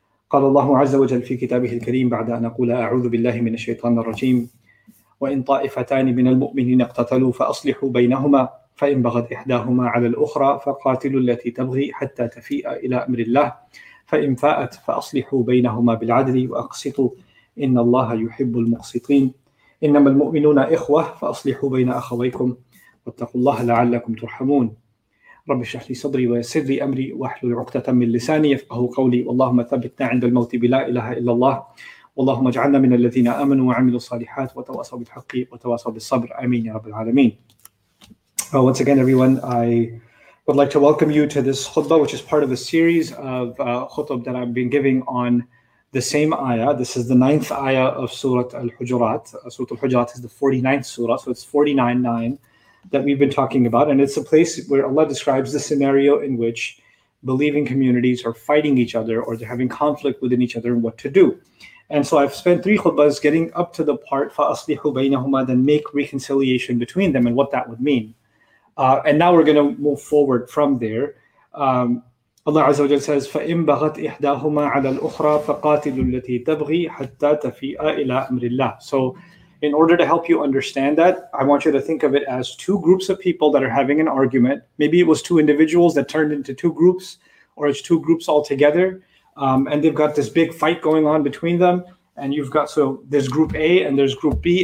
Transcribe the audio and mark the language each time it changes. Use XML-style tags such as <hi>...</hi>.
<ar>قال الله عز وجل في كتابه الكريم بعد أن أقول أعوذ بالله من الشيطان الرجيم وإن طائفتان من المؤمنين اقتتلوا فأصلحوا بينهما فإن بغت إحداهما على الأخرى فقاتلوا التي تبغي حتى تفيء إلى أمر الله فإن فاءت فأصلحوا بينهما بالعدل وأقسطوا إن الله يحب المقسطين إنما المؤمنون إخوة فأصلحوا بين أخويكم واتقوا الله لعلكم ترحمون رب اشرح لي صدري ويسر لي أمري واحلل عقدة من لساني يفقهوا قولي اللهم ثبتنا عند الموت بلا إله إلا الله اللهم اجعلنا من الذين آمنوا وعملوا الصالحات وتواصوا بالحق وتواصوا بالصبر آمين يا رب العالمين.</ar> <en>Once again, everyone, I would like to welcome you to this khutbah, which is part of a series of khutb that I've been giving on the same ayah. This is the 9th ayah of Surah Al-Hujurat. Surah Al-Hujurat is the 49th surah, so it's 49:9 that we've been talking about. And it's a place where Allah describes the scenario in which believing communities are fighting each other or they're having conflict within each other and what to do. And so I've spent 3 khutbahs getting up to the part,</en> <ar>فَأَصْلِحُ بَيْنَهُمَا,</ar> <en>then make reconciliation between them and what that would mean. And now we're going to move forward from there. Allah Azza wa Jalla says,</en> <ar>فَإِنْ بَغَتْ إِحْدَاهُمَا عَلَى الْأُخْرَى فَقَاتِلُ الَّتِي تَبْغِي حَتَّى تَفِيءَ إِلَىٰ أَمْرِ اللَّهِ.</ar> <en>So in order to help you understand that, I want you to think of it as 2 groups of people that are having an argument. Maybe it was 2 individuals that turned into 2 groups, or it's 2 groups altogether. And they've got this big fight going on between them. And you've got, so there's group A and there's group B.</en>